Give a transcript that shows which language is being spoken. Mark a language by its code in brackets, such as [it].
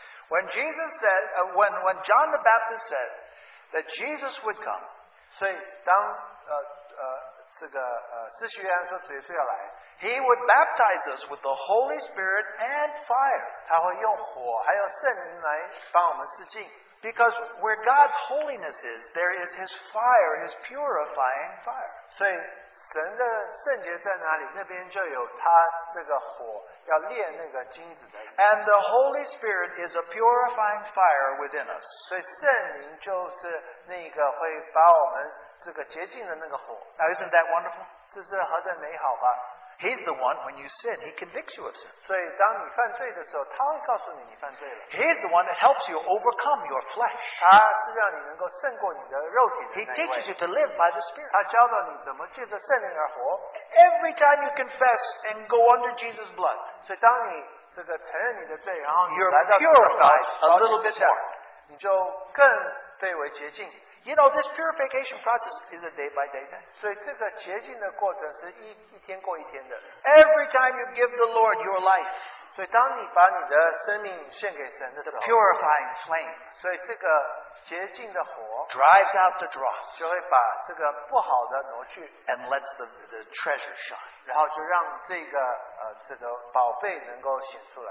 [en] when Jesus said, when John the Baptist said that Jesus would come, [zh] 所以当, 这个司徒约翰说主耶稣要来, [en] he would baptize us with the Holy Spirit and fire. [zh] 他会用火还有圣灵来帮我们洗净, [en] because where God's holiness is, there is His fire, His purifying fire. [zh] 所以神的圣洁在哪里, 那边就有他这个火要炼那个金子的, [en] and the Holy Spirit is a purifying fire within us. [zh] 所以圣灵就是那个会把我们这个洁净的那个火。 [en] Now isn't that wonderful? [zh] 这是何等美好吧? [en] He's the one, when you sin, He convicts you of sin. [zh] 所以当你犯罪的时候，他会告诉你你犯罪了。 [en] He's the one that helps you overcome your flesh. [zh] 他是让你能够胜过你的肉体的那一位。 [en] He teaches you to live by the Spirit. [zh] 他教导你怎么借着圣灵而活。 [en] Every time you confess and go under Jesus' blood, [zh] 所以当你这个承认你的罪，然后你来到圣灵的光下，你就更被为洁净。 [en] You know, this purification process is a day by day thing. [zh] 所以这个洁净的过程是一天过一天的。 [en] Every time you give the Lord your life, [zh] 所以当你把你的生命献给神的时候, [en] the purifying flame [zh] 所以这个洁净的火, [en] drives out the dross, [zh] 就会把这个不好的挪去, [en] and lets the treasure shine. [zh] 然后就让这个, 这个宝贝能够显出来。